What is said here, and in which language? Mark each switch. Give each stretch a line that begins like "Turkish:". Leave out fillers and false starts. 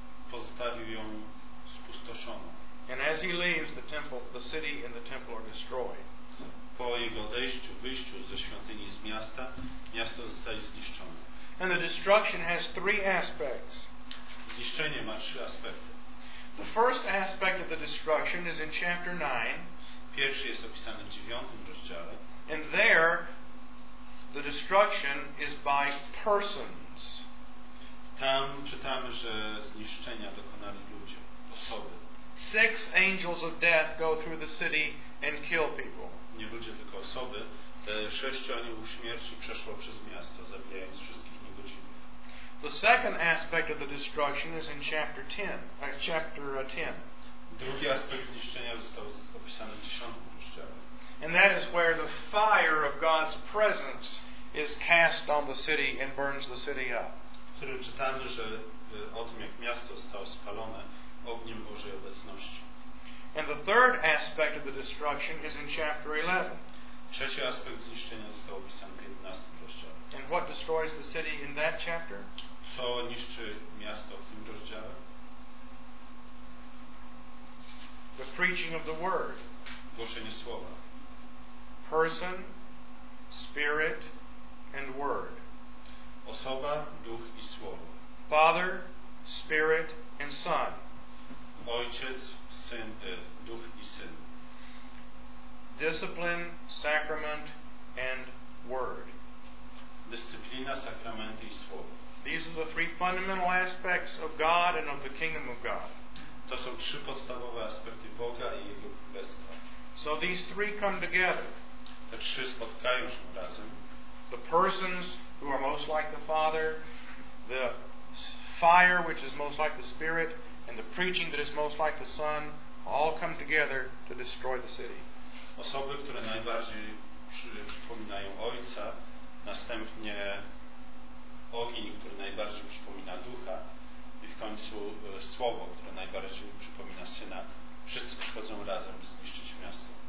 Polish: Pozostawił ją spustoszoną.
English: And as he leaves the temple, the city and the temple are destroyed.
Polish: Po jego odejściu, wyjściu ze świątyni z miasta, miasto zostaje zniszczone.
English: And the destruction has three aspects.
Polish: Zniszczenie ma trzy aspekty.
English: The first aspect of the destruction is in chapter 9.
Polish: Pierwszy jest opisany w 9 rozdziale.
English: And there the destruction is by persons.
Polish: Tam czytamy, że zniszczenia dokonali ludzie, osoby.
English: Six angels of death go through the city and kill people.
Polish: Nie ludzie, tylko osoby. Te sześciu aniołów śmierci przeszło przez miasto, zabijając wszystkich niegodziwych.
English: The second aspect of the destruction is in chapter 10.
Polish: Drugi aspekt zniszczenia został opisany w 10 rozdziale.
English: And that is where the fire of God's presence is cast on the city and burns the city up.
Polish: W którym czytamy, że o tym, jak miasto zostało spalone ogniem Bożej obecności.
English: And the third aspect of the destruction is in chapter 11.
Polish: Trzeci aspekt zniszczenia został opisany w 11 rozdziale.
English: And what destroys the city in that chapter?
Polish: Co niszczy miasto w tym rozdziale?
English: The preaching of the word.
Polish: Głoszenie słowa.
English: Person, spirit, and word.
Polish: Osoba, duch i słowo.
English: Father, spirit, and son.
Polish: Ojciec, syn, duch i syn.
English: Discipline, sacrament, and word.
Polish: Dyscyplina, sakramenty i słowo.
English: These are the three fundamental aspects of God and of the kingdom of God.
Polish: To są trzy podstawowe aspekty Boga i Jego Królestwa.
English: So these three come together.
Polish: Te trzy spotkają się razem.
English: The persons who are most like the Father, the fire which is most like the Spirit, and the preaching that is most like the Son, all come together to destroy the city.
Polish: Osoby, które najbardziej przypominają Ojca, następnie ogień, który najbardziej przypomina Ducha, i w końcu słowo, które najbardziej przypomina Syna, wszyscy przychodzą razem zniszczyć miasto.